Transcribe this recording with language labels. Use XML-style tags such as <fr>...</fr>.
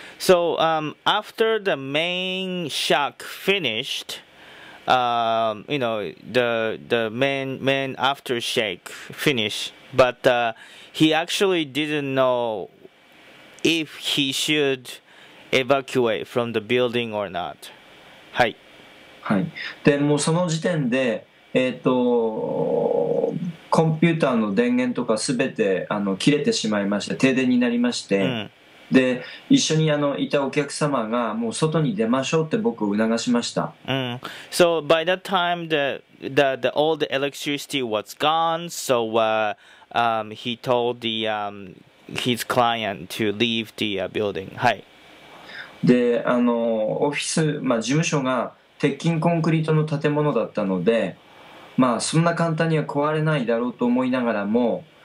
<en>So, after the main shock finished, you know, the main aftershake finished, but he actually didn't know if he should evacuate from the building or not.</en> <ja>はい。はい、でもうその時点で、コンピューターの電源とかすべて切れてしまいまして停電になりまして、うんで一緒にいたお客様がもう外に出ましょうって僕を促しました。うん。</ja> <en>So by that time the all the electricity was gone. So he told the his client to leave the building.</en> <ja>はい。でオフィス、まあ事務所が鉄筋コンクリートの建物だったので、まあそんな簡単には壊れないだろうと思いながらも。</ja>